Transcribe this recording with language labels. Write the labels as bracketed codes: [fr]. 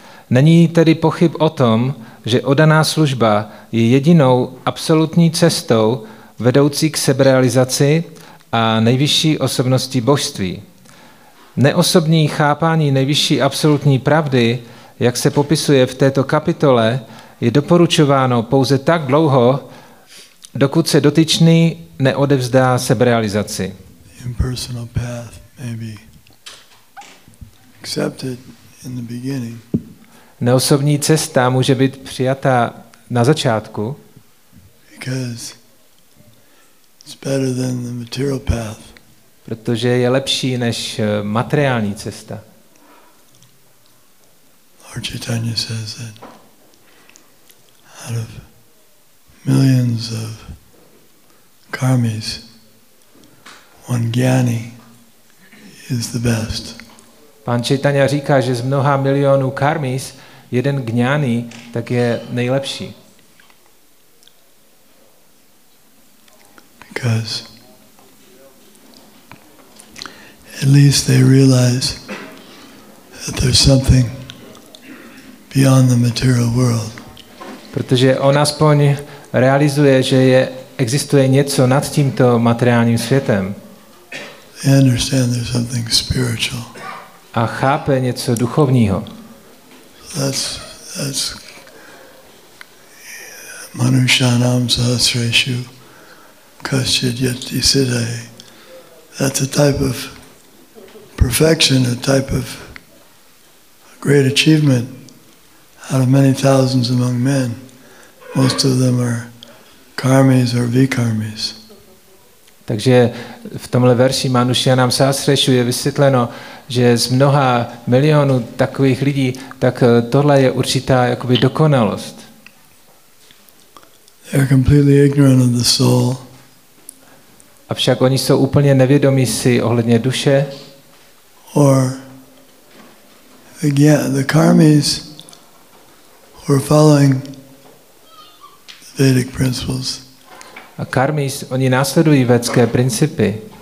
[cs] Není tedy pochyb o tom, že odaná služba je jedinou absolutní cestou vedoucí k seberealizaci a nejvyšší osobnosti božství. Neosobní chápání nejvyšší absolutní pravdy, jak se popisuje v této kapitole, je doporučováno pouze tak dlouho, dokud se dotyčný neodevzdá seberealizaci. [en] Impersonal path may be accepted in the beginning. [cs] Neosobní cesta může být přijata na začátku. [en] Because it's better than the material path. [cs] Protože je lepší než materiální cesta. [en] Lord Chaitanya says that out of millions of karmis, one jnani is the best. [cs] Pán Chaitanya říká, že z mnoha milionů karmis jeden jnani tak je nejlepší. [en] Because at least they realize that there's something beyond the material world. [cs] Protože on aspoň realizuje, že je existuje něco nad tímto materiálním světem. [en] They understand there's something spiritual. [cs] A chápe něco duchovního. [en] That's [sa] Manushanam Sahasreshu Kashyat Yati Siddhay. [en] That's a type of perfection, a type of great achievement out of many thousands among men. Most of them are karmis or vikarmis. [cs] Takže v tomhle verši [sa] Manushyanam Sahasreshu [cs] je vysvětleno, že z mnoha milionů takových lidí, tak tohle je určitá jakoby dokonalost. [en] They are completely ignorant of the soul. [cs] Avšak oni jsou úplně nevědomí si ohledně duše. [en] Or again, the karmis who are following Vedic principles. [cs] A karmis, oni následují vedské principy.